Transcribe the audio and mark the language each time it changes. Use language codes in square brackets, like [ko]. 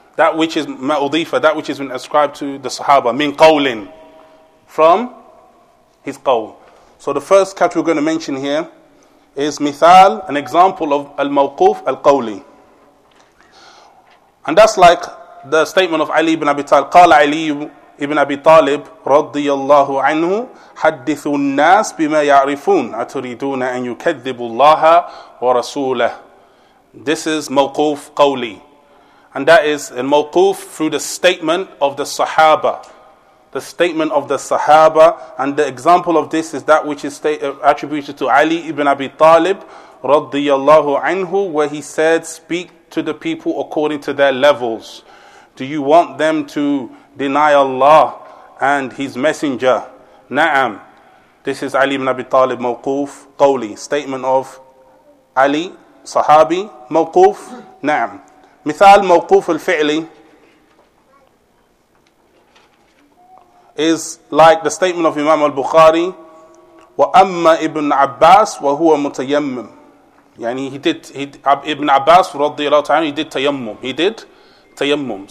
[en] That which is مأضيفة, that which has been ascribed to the Sahaba. [ar] من قول. [en] From his قول. So the first category we're going to mention here is مثال, an example of الموقوف القولي. And that's like the statement of Ali ibn Abi Talib. [ar] قال علي ibn Abi Talib رضي الله عنه حدثوا الناس بما يعرفون أتريدون أن يكذبوا الله ورسوله. [en] This is موقوف قولي. And that is a mawquf through the statement of the Sahaba. The statement of the Sahaba. And the example of this is that which is attributed to Ali ibn Abi Talib, radiyallahu anhu, where he said, speak to the people according to their levels. Do you want them to deny Allah and His Messenger? Na'am. This is Ali ibn Abi Talib, mawquf, qawli. Statement of Ali, Sahabi, mawquf, na'am. [ar] مثال موقوف الفعلي [en] is like the statement of Imam al-Bukhari [ar] وَأَمَّا إِبْنَ عَبَّاسِ وَهُوَ مُتَيَمَّمُ. [en] يعني Ibn Abbas رضي الله تعالى, he did tayammum.